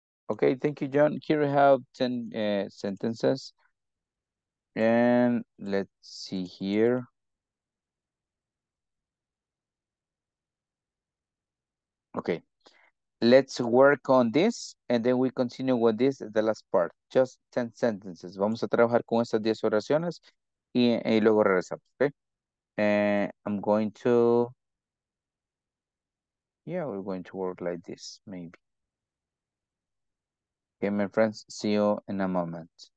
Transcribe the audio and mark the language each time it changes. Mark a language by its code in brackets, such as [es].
[en] Okay, thank you, John. Here we have 10 sentences. And let's see here. Okay, let's work on this and then we continue with this, the last part. Just 10 sentences. [es] Vamos a trabajar con estas 10 oraciones y luego regresamos, okay? [en] I'm going to, yeah, we're going to work like this, maybe. Okay, my friends, see you in a moment.